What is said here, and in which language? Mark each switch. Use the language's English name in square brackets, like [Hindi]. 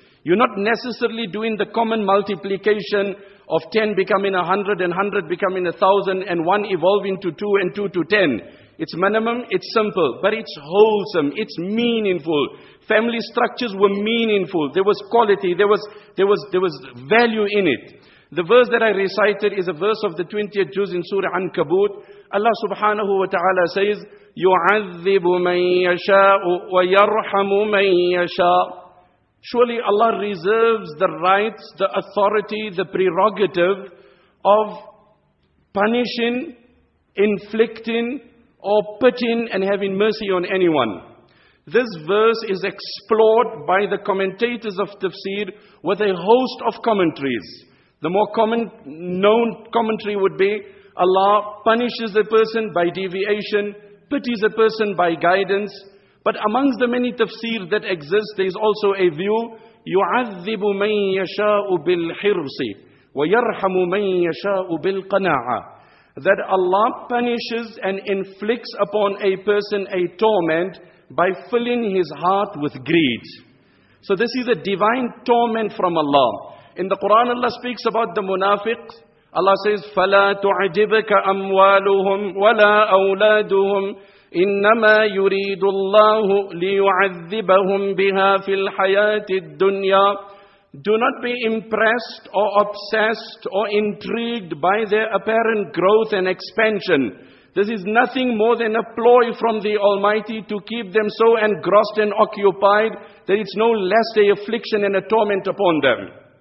[English] You're not necessarily doing the common multiplication of 10 becoming 100 and 100 becoming 1,000 and 1 evolving to 2 and 2 to 10. It's minimum, it's simple, but it's wholesome, it's meaningful. Family structures were meaningful. There was quality, there was value in it. The verse that I recited is a verse of the 20th juz in Surah An-Kabut. [Arabic] Allah subhanahu wa ta'ala says, يُعَذِّبُ مَنْ يَشَاءُ وَيَرْحَمُ مَنْ يَشَاءُ. [English] Surely Allah reserves the rights, the authority, the prerogative of punishing, inflicting, or pitying and having mercy on anyone. This verse is explored by the commentators of tafsir with a host of commentaries. The more common known commentary would be, Allah punishes a person by deviation, pities a person by guidance. But amongst the many tafsir that exist, there is also a view, [Arabic] يُعَذِّبُ مَنْ يَشَاءُ بِالْحِرْسِ وَيَرْحَمُ مَنْ يَشَاءُ بِالْقَنَاعَةِ. [English] That Allah punishes and inflicts upon a person a torment by filling his heart with greed. So this is a divine torment from Allah. In the Quran, Allah speaks about the munafiq. [Arabic] Allah says, فَلَا تُعْجِبَكَ أَمْوَالُهُمْ وَلَا أَوْلَادُهُمْ إِنَّمَا يُرِيدُ اللَّهُ لِيُعَذِّبَهُمْ بِهَا فِي الْحَيَاةِ الدُّنْيَا. [English] Do not be impressed or obsessed or intrigued by their apparent growth and expansion. This is nothing more than a ploy from the Almighty to keep them so engrossed and occupied that it's no less a affliction and a torment upon them.